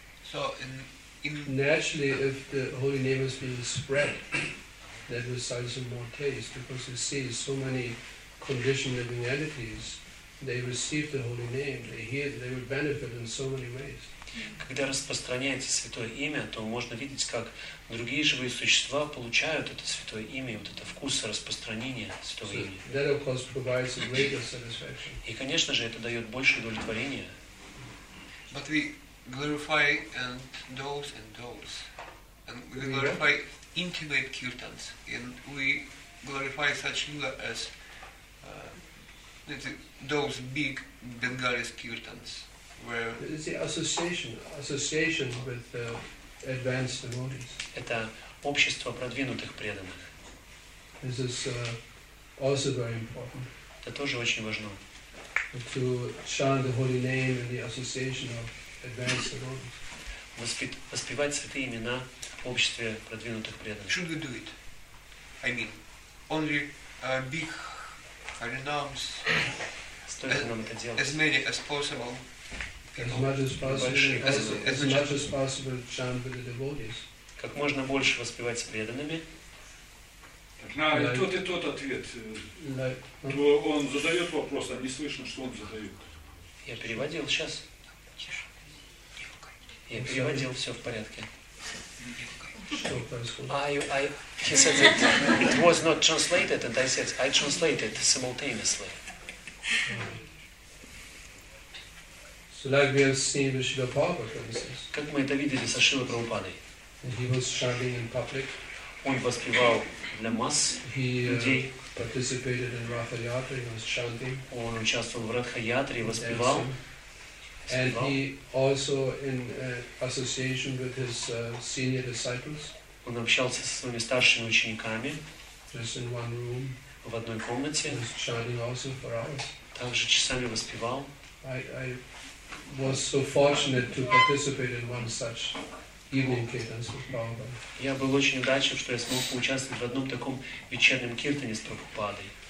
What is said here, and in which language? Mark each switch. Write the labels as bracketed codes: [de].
[en] So in naturally, if the holy name is being spread, that results in more taste because you see so many conditioned living entities, they receive the holy name, they hear, they would benefit in so many ways. [ru] Когда распространяется святое имя, то можно видеть, как другие живые существа получают это святое имя, вот это вкус распространения святого имени. [en] That of course provides a greater satisfaction. [ru] И, конечно же, это дает больше удовлетворения. [en] But we glorify and those, and we glorify intimate kirtans, and we glorify such lila as those big Bengali kirtans. Where it's the association with advanced devotees. [ru] Это общество продвинутых преданных. [en] This is also very important. [ru] Это тоже очень важно. [en] To chant the holy name in the association of advanced devotees. [ru] Воспевать святые имена в обществе продвинутых преданных. [en] Should we do it? I mean, only big harinams. [ru] Стоит нам это делать. [en] As many as possible. As much as possible, chant with the devotees. [ru] Как можно больше воспевать с преданными. И тот и тот ответ. Он задает вопрос, а не слышно, что он задает. Я переводил сейчас. Я переводил, все в порядке. Что происходит? [en] He said that it was not translated, and I said I translated simultaneously. So like we have seen with Srila Prabhupada, for instance. [ru] Как мы это видели со Шрилой Прабхупадой. [en] And he was chanting in public. [ru] Он воспевал для масс людей. [en] Participated in Ratha Yatra, he was chanting. [ru] Он участвовал в Ратха Ятре, воспевал. [en] And he also in association with his senior disciples. [ru] Он общался со своими старшими учениками. [en] Just in one room. [ru] В одной комнате. [en] He was chanting also for hours. [ru] Также часами воспевал. [en] I was so fortunate to participate in one such evening kirtans with Prabhupada. [ru] Я был очень удачлив, что я смог поучаствовать в одном таком вечернем киртане с Прабхупадой.